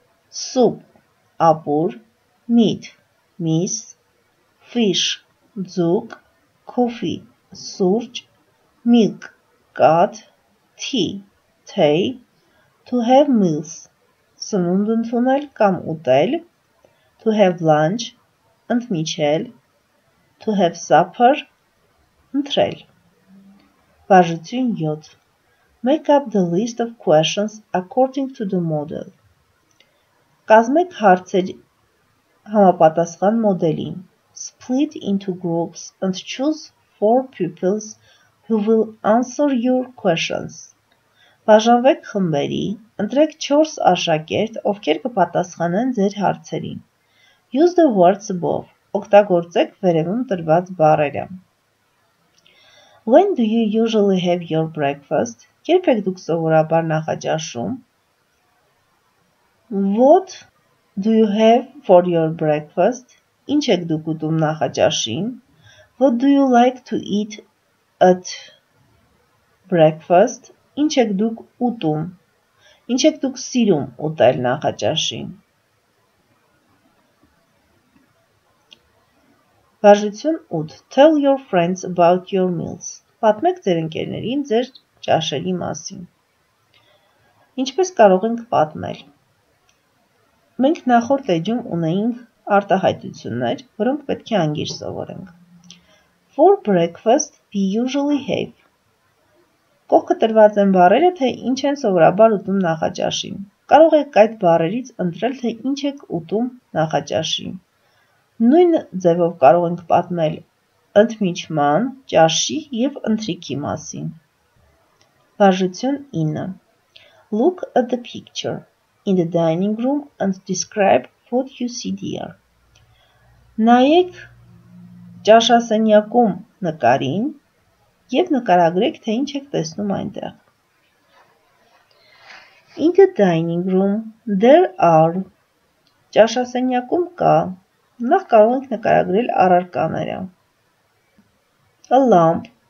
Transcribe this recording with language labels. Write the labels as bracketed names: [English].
[English] soup, [Armenian] ապուր, [English] meat, [Armenian] միս, [English] fish, [Armenian] ձուկ, [English] coffee, [Armenian] սուրջ, [English] milk, [Armenian] կաթ, [English] tea, [Armenian] թեյ, [English] to have meals, [Armenian] սնունդ ընդունել կամ ուտել, [English] to have lunch, [Armenian] ընդմիջել, [English] to have supper, [Armenian] ընթրել. Բաժություն 7. [English] Make up the list of questions according to the model. [Armenian] Կազմեք հարցերը համապատասխան մոդելին. [English] Split into groups and choose 4 pupils who will answer your questions. [Armenian] Բաժանվեք խմբերի, ընտրեք 4 աշակերտ, ովքեր կպատասխանեն ձեր հարցերին. [English] Use the words above. [Armenian] Օգտագործեք վերևում տրված բառերը. [English] When do you usually have your breakfast? [Armenian] Երբ եք դուք սովորաբար նախաճաշում? [English] What do you have for your breakfast? [Armenian] Ինչ եք դուք ուտում նախաճաշին? [English] What do you like to eat at breakfast? [Armenian] Ինչ եք դուք ուտում? Ինչ եք դուք սիրում ուտել նախաճաշին? Բաժություն 8. [English] Tell your friends about your meals. [Armenian] Պատմեք ձեր ընկերներին ձեր ճաշերի մասին. Ինչպես կարող ենք պատմել? Մենք նախորդ էջում ունեինք արտահայտություններ, որոնք պետք է անգիր սովորենք. [English] For breakfast, we usually have. [Armenian] Կողքը տրված են բառերը, թե ինչ են սովորաբար ուտում նախաճաշին. Կարող եք այդ բառերից ընտրել, թե ինչ եք ուտում նախաճաշին. Նույն ձևով կարող ենք պատմել ընդմիջման, ճաշի և ընթրիքի մասին. Բաժություն 9. [English] Look at the picture in the dining room and describe what you see there. [Armenian] Նայեք ճաշասենյակում նկարին և նկարագրեք, թե ինչ եք տեսնում այնտեղ. [English] In the dining room, there are [Armenian] ճաշասենյակում կա. Նախ կարող ենք նկարագրել առարկաները. [English] A lamp,